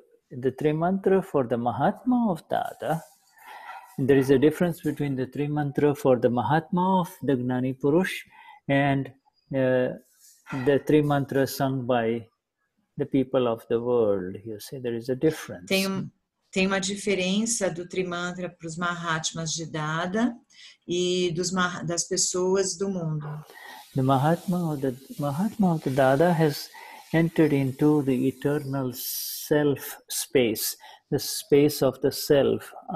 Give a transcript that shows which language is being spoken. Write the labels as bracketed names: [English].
[English] The Trimantra for the Mahatma of Dada, there is a difference between the Trimantra for the Mahatma of the Gnani Purush and the Trimantra sung by the people of the world, you see, there is a difference. [Portuguese] Tem uma diferença do Trimantra para os Mahatmas de Dada e das pessoas do mundo. [English] The Mahatma of the Dada has entered into the eternal self space, the space of the self.